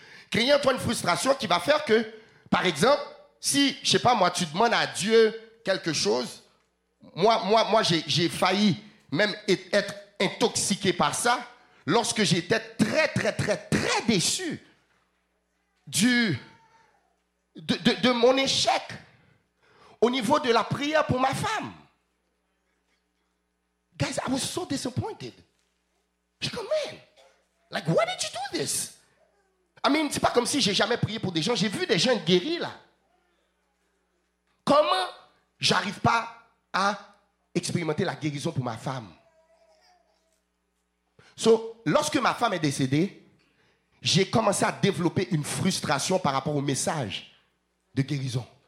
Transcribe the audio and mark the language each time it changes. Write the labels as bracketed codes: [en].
[fr] Créer en toi une frustration qui va faire que, par exemple, si, je ne sais pas moi, tu demandes à Dieu quelque chose, moi j'ai failli même être intoxiqué par ça lorsque j'étais très, très, très, très déçu de mon échec. Au niveau de la prière pour ma femme. [en] Guys, I was so disappointed. [fr] Je suis comme, [en] man, like, why did you do this? I mean, [fr] c'est pas comme si j'ai jamais prié pour des gens. J'ai vu des gens guéris, là. Comment j'arrive pas à expérimenter la guérison pour ma femme? So, lorsque ma femme est décédée, j'ai commencé à développer une frustration par rapport au message de guérison.